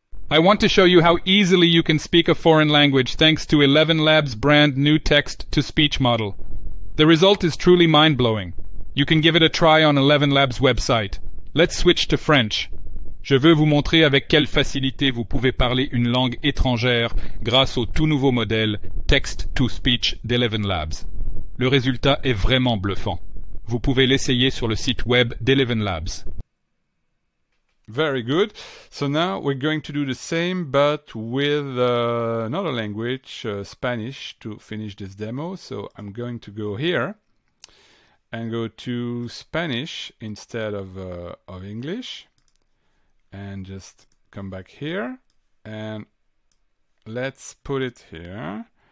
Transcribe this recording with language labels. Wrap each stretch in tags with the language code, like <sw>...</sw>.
<en>I want to show you how easily you can speak a foreign language thanks to 11labs' brand new text-to-speech model. The result is truly mind-blowing. You can give it a try on 11labs' website. Let's switch to French.</en> <fr>Je veux vous montrer avec quelle facilité vous pouvez parler une langue étrangère grâce au tout nouveau modèle Text-to-Speech d'ElevenLabs. Le résultat est vraiment bluffant. Vous pouvez l'essayer sur le site web d'ElevenLabs.</fr> <en>Very good. So now we're going to do the same, but with another language, Spanish, to finish this demo. So I'm going to go here and go to Spanish instead of English and just come back here and let's put it here.</en>